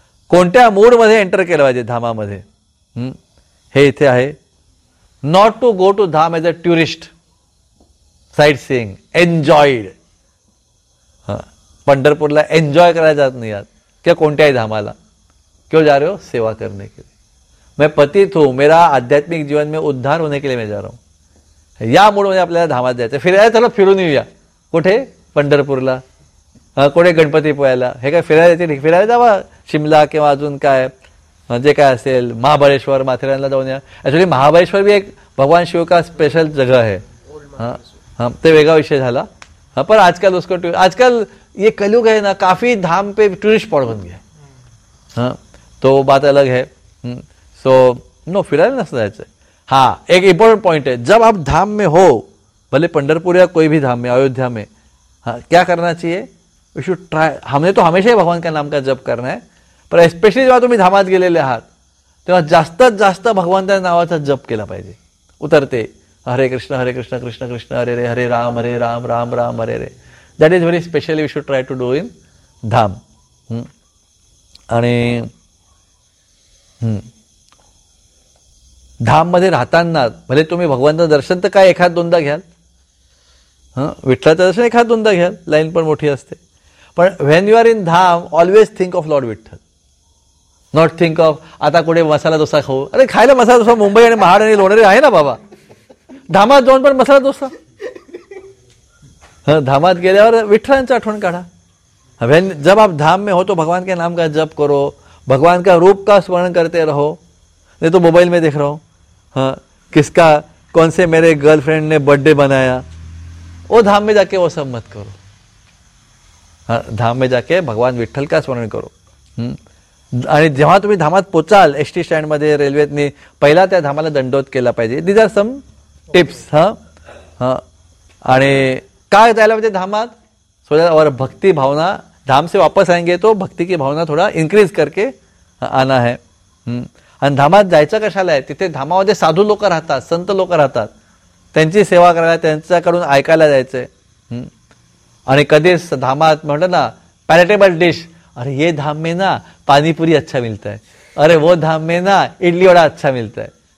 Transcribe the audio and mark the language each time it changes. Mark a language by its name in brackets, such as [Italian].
[Marathi] कोणत्या मूडमध्ये एंटर केलं पाहिजे धामामध्ये हे इथे आहे. [English] Not to go to dham as a tourist sightseeing, enjoyed. [Marathi] हां, पंढरपूरला एन्जॉय करायला जात नाही आहात किंवा कोणत्याही धामाला. [Hindi] क्यों जा रहे हो? सेवा करने के लिए. मैं पतित हूं, मेरा आध्यात्मिक जीवन में उद्धार होने के लिए मैं जा रहा हूं. [Marathi] या मूड मध्ये आपल्याला धामात जायचं. फिरायला चला, फिरून येऊया. कुठे? पंढरपूरला. कोणे? गणपती पोहायला. हे काय फिरायला येते? फिरायला जावा शिमला किंवा अजून काय जे काय असेल, महाबळेश्वर माथेरानला जाऊन या. [Hindi] ॲक्च्युली महाबळेश्वर भी एक भगवान शिव का स्पेशल जगह आहे. [Marathi] हां, ते वेगळा विषय झाला. पण आजकाल [Hindi] उसको आजकाल ये कलयुग आहे ना, काफी धाम पे टुरिस्ट स्पॉट बन गया. हां, तो बात अलग है. [English] so no, [Marathi] फिरायला नसं जायचं. हां, एक इम्पॉर्टंट पॉइंट आहे. [Hindi] जब आप धाम में हो, भले पंढरपूर या कोई भी धाम में, अयोध्या में, क्या करना चाहिए? [English] We should try. [Hindi] हमने तो हमेशा ही भगवान का नाम का जप करना है, [Marathi] पण एस्पेशली जेव्हा तुम्ही धामात गेलेले आहात तेव्हा जास्तीत जास्त भगवंताच्या नावाचा जप केला पाहिजे. [Sanskrit] उतरते हरे कृष्ण हरे कृष्ण कृष्ण कृष्ण हरे रे, हरे राम हरे राम राम राम हरे रे. [English] That is very specially we should try to do in dham. [Marathi] आणि धाममध्ये राहताना भले तुम्ही भगवंताचं दर्शन तर काय एखाद दोनदा घ्याल, विठ्ठलाचं दर्शन एखाद दोनदा घ्याल, लाईन पण मोठी असते. [English] पण when you are in dham always think of lord Vitthal, not think of [Marathi] आता कुठे मसाला डोसा खाऊ. अरे खायला मसाला डोसा मुंबई आणि महाड आणि लोणारे आहे ना बाबा, धामात जाऊन पण मसाला डोसा. धामात गेल्यावर विठ्ठलांची आठवण काढा. [Hindi] जब आप धाम में हो तो भगवान के नाम का जप करो, भगवान का रूप का स्मरण करते रहो. नहीं तो मोबाईल में देख रहा हूं, हां किसका कौन से मेरे गर्लफ्रेंड ने बर्थडे बनाया. वो धाम में जाके वो सब मत करो. धाम में जाके भगवान विठ्ठल का स्मरण करो. [Marathi] आणि जेव्हा तुम्ही धामात पोचाल एसटी स्टँडमध्ये रेल्वेतने, पहिला त्या धामाला दंडोत केला पाहिजे. [English] These are some tips. [Marathi] हां हां, आणि काय जायला पाहिजे धामात? [English] so that our [Hindi] भक्ती भावना, धाम से वापस आएंगे तो भक्ती की भावना थोडा इन्क्रीज करके आना है. [Marathi] आणि धामात जायचं कशाला आहे? तिथे धामामध्ये साधू लोक राहतात, संत लोक राहतात, त्यांची सेवा करायला, त्यांच्याकडून ऐकायला जायचं आहे. आणि कधी धामात म्हणलं ना [English] palatable dish, [Hindi] अरे ये धाम में ना पाणीपुरी अच्छा मिलता है, अरे वो धाम में ना इडली वडा अच्छा मिलता है.